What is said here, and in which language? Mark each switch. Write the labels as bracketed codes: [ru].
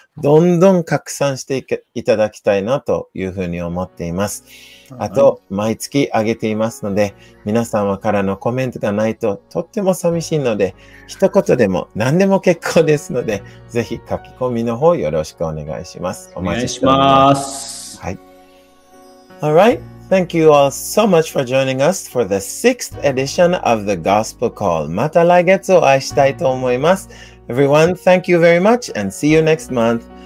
[ja] どんどん拡散していただきたいなというふうに思っています。あと、毎月上げていますので、皆様からのコメントがないととっても寂しいので、一言でも何でも結構ですので、ぜひ書き込みの方よろしくお願いします。お待ちしております。はい。 [en] Alright, thank you all so much for joining us for the 6th edition of the Gospel Call. [ja] また来月お会いしたいと思います。 [en] Everyone, thank you very much and see you next month.